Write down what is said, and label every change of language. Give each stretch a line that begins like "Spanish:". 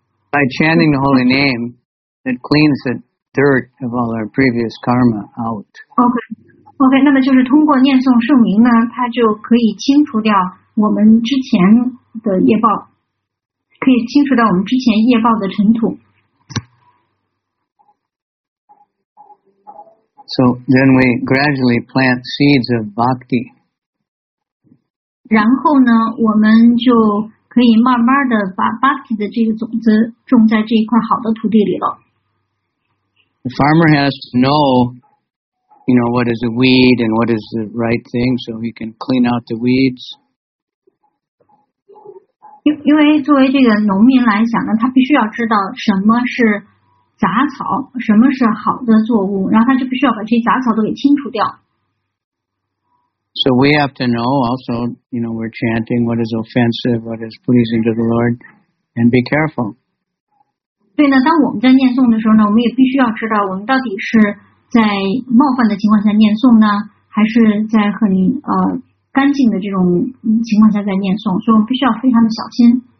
English: By chanting the holy name, it cleans the dirt of all our previous karma out. Okay.
Chinese: 那么就是通过念诵圣名呢，它就可以清除掉我们之前。的业报可以清除到我们之前业报的尘土。
English: So then we gradually plant seeds of bhakti.
Chinese: 然后呢，我们就可以慢慢的把 bhakti 的这个种子种在这一块好的土地里了。
English: The farmer has to know, you know, what is a weed and what is the right thing, so he can clean out the weeds.
Chinese: 因为作为这个农民来讲呢，他必须要知道什么是杂草，什么是好的作物，然后他就必须要把这些杂草都给清除掉。
English: So we have to know also, you know, we're chanting what is offensive, what is pleasing to the Lord, and be careful.
Chinese: 对呢，当我们在念诵的时候呢，我们也必须要知道我们到底是在冒犯的情况下念诵呢，还是在和您干净的这种情况下在念诵，所以我们必须要非常的小心。